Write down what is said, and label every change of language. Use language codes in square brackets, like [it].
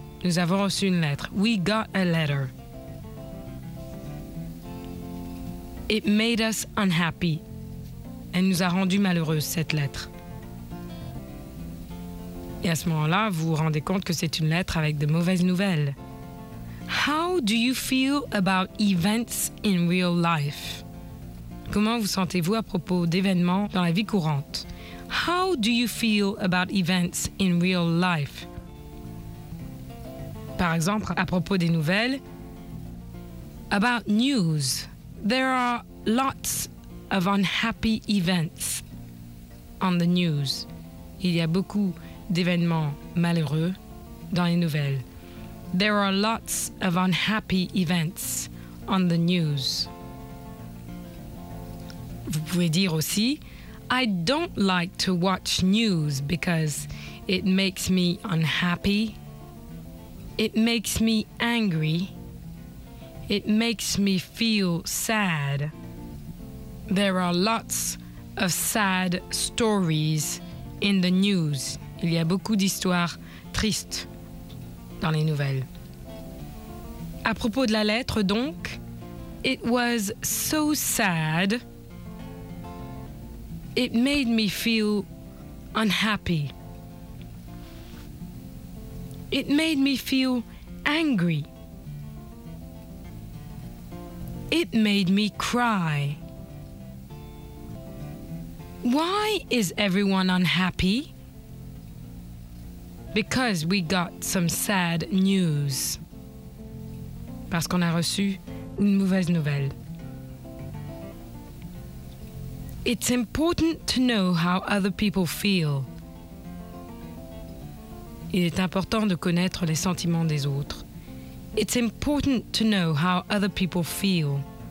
[fr] Nous avons reçu une lettre. [en] We got a letter. It made us unhappy. [fr] Elle nous a rendu malheureuse, cette lettre. Et à ce moment-là, vous vous rendez compte que c'est une lettre avec de mauvaises nouvelles. [en] How do you feel about events in real life? [fr] Comment vous sentez-vous à propos d'événements dans la vie courante? [en] How do you feel about events in real life? [fr] Par exemple, à propos des nouvelles, [en] about news, there are lots of unhappy events on the news. [fr] Il y a beaucoup d'événements malheureux dans les nouvelles. [en] There are lots of unhappy events on the news. [fr] Vous pouvez dire aussi, [en] I don't like to watch news because it makes me unhappy. It makes me angry. It makes me feel sad. There are lots of sad stories in the news. [fr] Il y a beaucoup d'histoires tristes dans les nouvelles. À propos de la lettre, donc, [en] it was so sad. It made me feel unhappy. It made me feel angry. It made me cry. Why is everyone unhappy? Because we got some sad news. [fr] Parce qu'on a reçu une mauvaise nouvelle. [en] It's important to know how other people feel. [fr] Il est important de connaître les sentiments des autres. [en] It's important to know how other people feel.